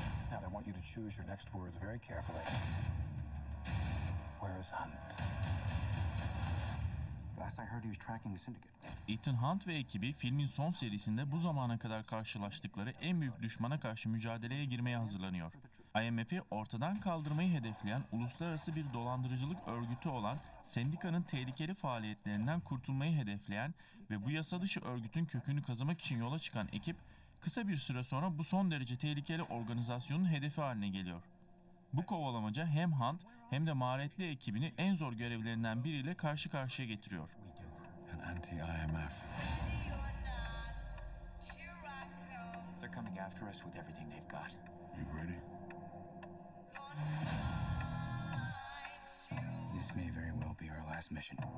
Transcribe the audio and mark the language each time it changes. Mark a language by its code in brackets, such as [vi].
[en] I want you to choose your next words very carefully. Where is Hunt? Last I heard he was tracking the syndicate. [tr] Ethan Hunt ve ekibi filmin son serisinde bu zamana kadar karşılaştıkları en büyük düşmana karşı mücadeleye girmeye hazırlanıyor. IMF'i ortadan kaldırmayı hedefleyen uluslararası bir dolandırıcılık örgütü olan sendikanın tehlikeli faaliyetlerinden kurtulmayı hedefleyen ve bu yasa dışı örgütün kökünü kazımak için yola çıkan ekip kısa bir süre sonra bu son derece tehlikeli organizasyonun hedefi haline geliyor. Bu kovalamaca hem Hunt hem de maharetli ekibini en zor görevlerinden biriyle karşı karşıya getiriyor. [en] Anti-IMF. They're coming after us with everything they've got. You ready? This may very well be our last mission.